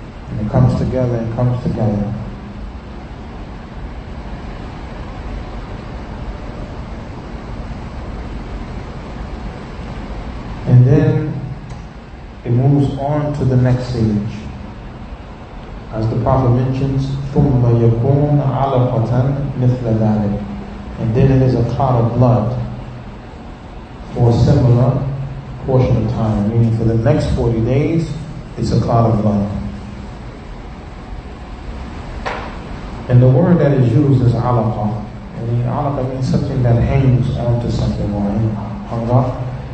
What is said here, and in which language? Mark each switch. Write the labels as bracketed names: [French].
[English] And it comes together and comes together. And then it moves on to the next stage. As the Prophet mentions, [Arabic] ثُمَّ يَكُونَ عَلَقَةً مِثْلَ ذَلِكَ. [English] And then it is a clot of blood for a similar portion of time, meaning for the next 40 days, it's a cloud of blood. And the word that is used is alaqa. And alaqa means something that hangs onto something or hung up.